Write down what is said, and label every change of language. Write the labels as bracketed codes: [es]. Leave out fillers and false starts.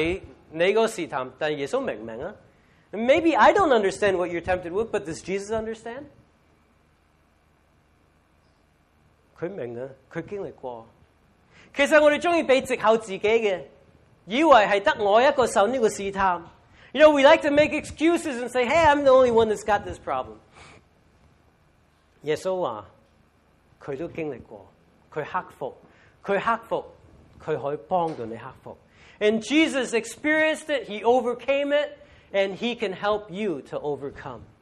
[zh] 或者我不明白你的试探,但耶稣明白吗? [en] Maybe I don't understand what you're tempted with, but does Jesus understand? [zh] 他明白,他经历过。其实我们喜欢被藉口自己的,以为是只有我一个受这个试探。 [en] You know, we like to make excuses and say, hey, I'm the only one that's got this problem. [zh] 耶稣说,他都经历过,他克服,他克服,他可以帮助你克服。 [en] And Jesus experienced it, he overcame it, and he can help you to overcome.